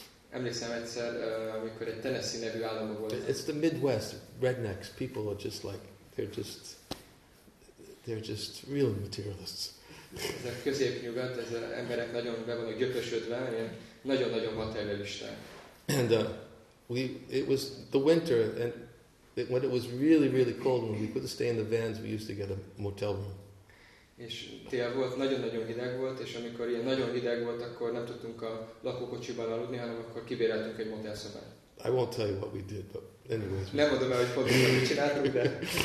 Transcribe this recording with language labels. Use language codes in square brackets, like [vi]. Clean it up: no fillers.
[hu] Emlékszem egyszer, amikor egy Tennessee nevű államban volt. [en] It's the Midwest, rednecks, people are just like, they're just real materialists. [hu] Ez a középnyugat, ez az emberek nagyon be vannak gyöpösödve, ilyen nagyon-nagyon materialisták. [en] And it was the winter, and when it was really, really cold, when we couldn't stay in the vans, we used to get a motel room. [hu] És tél volt, nagyon-nagyon hideg volt, és amikor ilyen nagyon hideg volt, akkor nem tudtunk a lakókocsiban aludni, hanem akkor kibéreltünk egy motel szobát. [en] I won't tell you what we did, but anyways. [hu] Nem mondom el, hogy pontosan mit csináltunk, de.